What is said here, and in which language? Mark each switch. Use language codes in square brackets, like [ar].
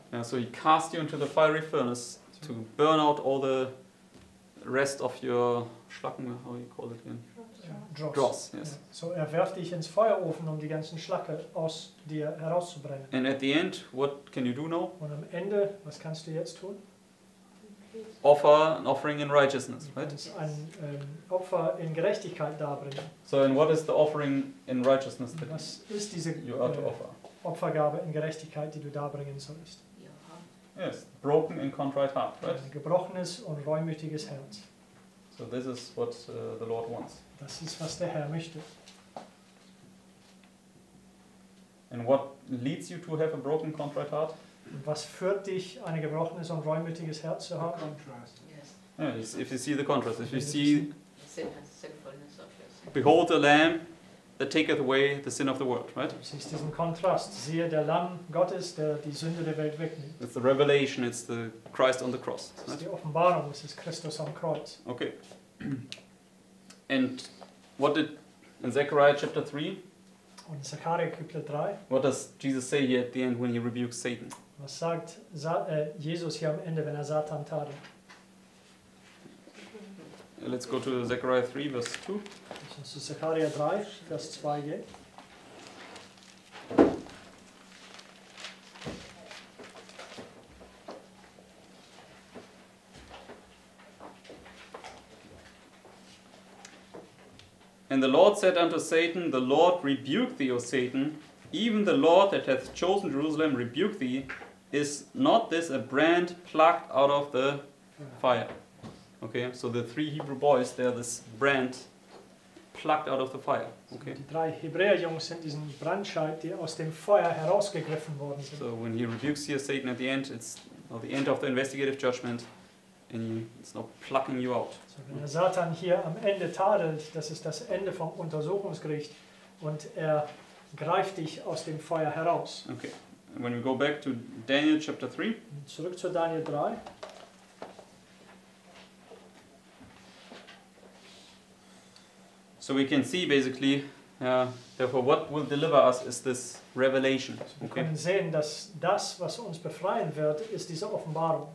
[en] Yeah, so he casts you into the fiery furnace to burn out all the rest of your Schlacken, how you call it again? Dross. Yes. Yeah. [de] So er werft dich ins Feuerofen, um die ganzen Schlacke aus dir herauszubrennen. [en] And at the end, what can you do now? [de] Und am Ende, was kannst du jetzt tun? [en] Offer an offering in righteousness, right? [de] Yes. Ein Opfer in Gerechtigkeit darbringen. [en] So and what is the offering in righteousness that [de] was ist diese, [en] you are to offer? [de] Opfergabe in Gerechtigkeit, die du darbringen sollst. [en] Yes, broken and contrite heart, right? [de] Ein gebrochenes und reumütiges Herz. [en] So this is what the Lord wants. [de] Das ist, was der Herr möchte. [en] And what leads you to have a broken, contrite heart? [de] Und was führt dich, ein gebrochenes und reumütiges Herz zu haben? [en] Contrast. Yes. Yeah, if you see the contrast, if you see sinfulness of your sin. Behold the Lamb that taketh away the sin of the world, right? [de] Du siehst diesen Kontrast. Siehe der Lamm Gottes, der die Sünde der Welt wegnimmt. [en] It's the revelation, it's the Christ on the cross. [de] Das ist die Offenbarung, es ist Christus am Kreuz. [en] Okay. And what did in Zechariah chapter 3? [de] Und Zechariah Kapitel 3. [en] What does Jesus say here at the end when he rebukes Satan? [de] Was sagt Jesus hier am Ende, wenn Satan tadelt? [en] Let's go to Zechariah 3, verse 2. [de] Also zu Zechariah 3, Vers 2 geht. [en] And the Lord said unto Satan, The Lord rebuke thee, O Satan, even the Lord that hath chosen Jerusalem rebuke thee. Is not this a brand plucked out of the fire? Okay, so the three Hebrew boys, they are this brand plucked out of the fire. Okay. [de] Die drei Hebräerjungs sind diesen Brandscheit, die aus dem Feuer herausgegriffen worden sind. [en] So when he rebukes here Satan at the end, it's at the end of the investigative judgment, and it's not plucking you out. [de] So wenn der Satan hier am Ende tadelt, das ist das Ende vom Untersuchungsgericht, und er greift dich aus dem Feuer heraus. [en] Okay. When we go back to Daniel chapter 3. [de] Zurück zu Daniel 3. [en] So we can see basically, therefore what will deliver us is this revelation. [de] Wir können sehen, dass das, was uns befreien wird, ist diese Offenbarung.